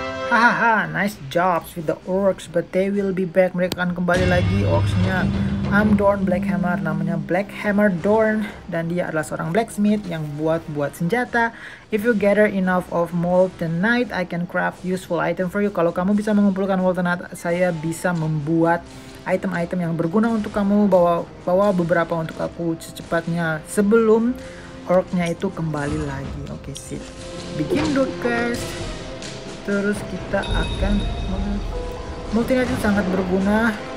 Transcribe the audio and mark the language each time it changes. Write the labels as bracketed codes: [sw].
[en] Hahaha, nice jobs with the orcs, but they will be back. [id] Mereka akan kembali lagi, orcsnya. [en] I'm Dorne Blackhammer, [id] namanya Blackhammer Dorne, dan dia adalah seorang blacksmith yang buat senjata. [en] If you gather enough of mold tonight, I can craft useful item for you. [id] Kalau kamu bisa mengumpulkan mold [en] tonight, [id] saya bisa membuat item-item yang berguna untuk kamu. Bawa beberapa untuk aku secepatnya sebelum orcnya itu kembali lagi. Oke, sip. [en] Begin the quest. [id] Terus kita akan multinet itu sangat berguna.